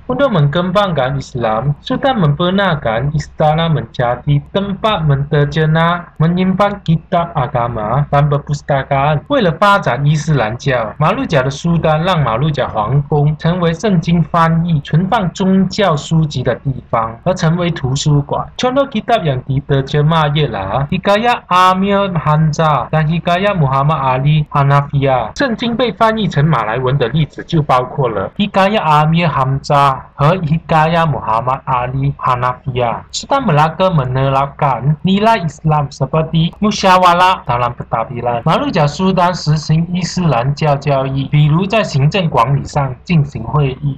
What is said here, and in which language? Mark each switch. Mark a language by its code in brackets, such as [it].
[ms] Untuk mengembangkan Islam, Sultan membenarkan istana menjadi tempat menterjemah, menyimpan kitab agama dan perpustakaan. [zh] 为了发展伊斯兰教，马六甲的苏丹让马六甲皇宫成为圣经翻译、存放宗教书籍的地方，而成为图书馆。 [ms] Contoh kitab yang diterjemah ialah Hikayat Amir Hamzah dan Hikayat Muhammad Ali Hanafiah. [zh] 圣经被翻译成马来文的例子就包括了 Hikayat Amir Hamzah 和 Hikayat Muhammad Ali Hanafiah. [ms] Sultan Melaka menerapkan nilai Islam seperti musyawarah dalam pentadbiran. [zh] Malaysia Sultan 实行伊斯兰教教义，比如在行政管理上进行会议。